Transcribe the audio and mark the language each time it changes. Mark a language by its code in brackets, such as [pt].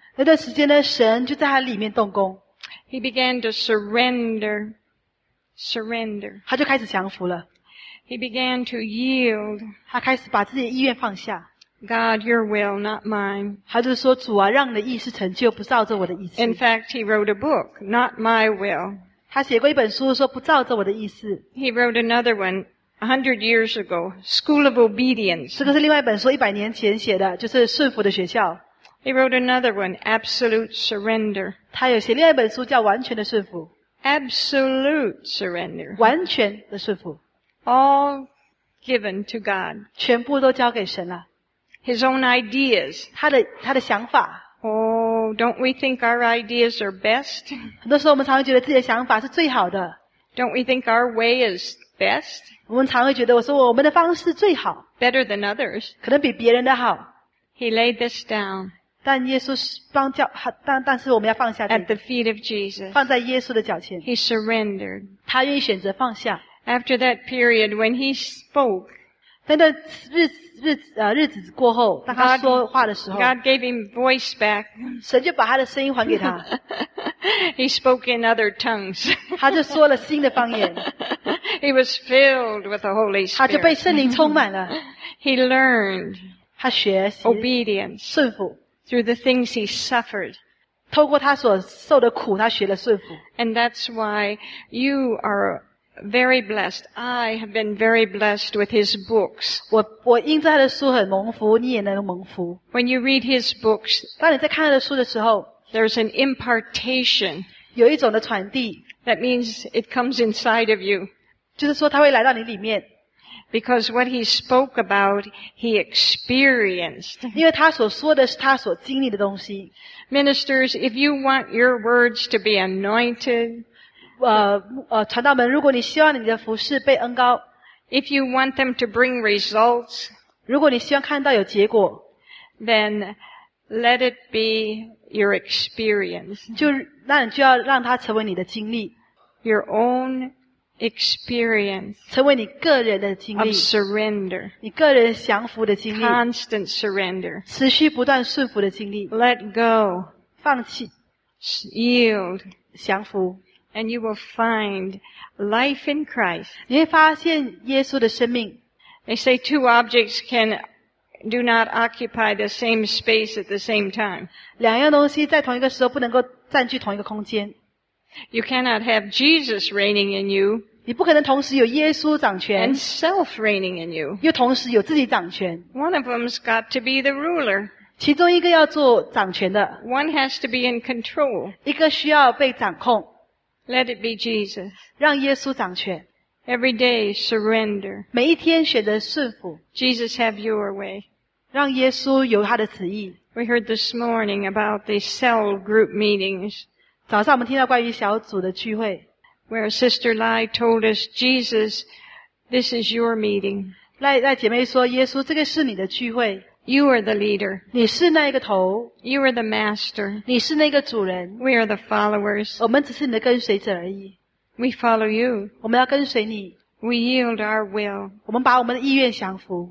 [zh] 那段时间呢，神就在他里面动工。 [en] He began to surrender. [zh] 他就开始降服了。 [en] He began to yield. [zh] 他开始把自己的意愿放下。 [en] God, your will, not mine. [zh] 他就说主啊，让你的意思成就，不照着我的意思。 [en] In fact, he wrote a book, not my will. [zh] 他写过一本书说不照着我的意思。 [en] He wrote another one 100 years ago, School of Obedience. [zh] 这个是另外一本书100年前写的，就是顺服的学校。 [en] He wrote another one, Absolute Surrender. [zh] 他有写另外一本书叫完全的顺服。 [en] Absolute Surrender. [zh] 完全的顺服。 [en] All given to God. [zh] 全部都交给神了。 [en] His own ideas. [zh] 他的想法。 [en] Oh, don't we think our ideas are best? [zh] 很多时候我们常会觉得自己的想法是最好的。 [en] Don't we think our way is best? [zh] 我们常会觉得我说我们的方式最好。 [en] Better than others. [zh] 可能比别人的好。 [en] He laid this down. [zh] 但耶稣帮教他，但是我们要放下。 [en] At the feet of Jesus. [zh] 放在耶稣的脚前。 [en] He surrendered. [zh] 他愿意选择放下。 [en] After that period, when he spoke, [zh] 那段日子过后，当他说话的时候 [en] God gave him voice back. [zh] 神就把他的声音还给他。 [en] He spoke in other tongues. [zh] 他就说了新的方言。 [en] He was filled with the Holy Spirit. [zh] 他就被圣灵充满了。 [en] He learned. [zh] 他学习。 [en] Obedience. [zh] 顺服。 [en] Through the things he suffered. [zh] 透过他所受的苦，他学了顺服。 [en] And that's why you are. Very blessed. I have been very blessed with his books. [zh] 我因着他的书很蒙福，你也能蒙福。 [en] When you read his books, [zh] 当你在看他的书的时候 [en] there's an impartation. [zh] 有一种的传递。 [en] That means it comes inside of you. [zh] 就是说他会来到你里面。 [en] Because what he spoke about, he experienced. [zh] 因为他所说的是他所经历的东西。 [en] Ministers, if you want your words to be anointed, [zh] 传道们，如果你希望你的服事被恩膏 [en] ，If you want them to bring results， [zh] 如果你希望看到有结果 [en] ，Then let it be your experience， [zh] 就那你就要让它成为你的经历 [en] ，Your own experience， [zh] 成为你个人的经历 [en] ，Of surrender， [zh] 你个人降服的经历 [en] ，Constant surrender， [zh] 持续不断顺服的经历 [en] ，Let go， [zh] 放弃 [en] ，Yield， [zh] 降服。 [en] And you will find life in Christ. [zh] 你会发现耶稣的生命。 [en] They say two objects can do not occupy the same space at the same time. [zh] 两样东西在同一个时候不能够占据同一个空间。 [en] You cannot have Jesus reigning in you. [zh] 你不可能同时有耶稣掌权。 [en] And self reigning in you. [zh] 又同时有自己掌权。 [en] One of them's got to be the ruler. [zh] 其中一个要做掌权的。 [en] One has to be in control. [zh] 一个需要被掌控。 [en] Let it be Jesus. [zh] 让耶稣掌权。 [en] Every day, surrender. [zh] 每一天选择顺服。 [en] Jesus, have your way. [zh] 让耶稣有他的旨意。 [en] We heard this morning about the cell group meetings. [zh] 早上我们听到关于小组的聚会。 [en] Where Sister Lai told us, Jesus, this is your meeting. [zh] 赖姐妹说，耶稣，这个是你的聚会。 [en] You are the leader. [zh] 你是那个头。 [en] You are the master. [zh] 你是那个主人。 [en] We are the followers. [zh] 我们只是你的跟随者而已。 [en] We follow you. [zh] 我们要跟随你。 [en] We yield our will. [zh] 我们把我们的意愿降服。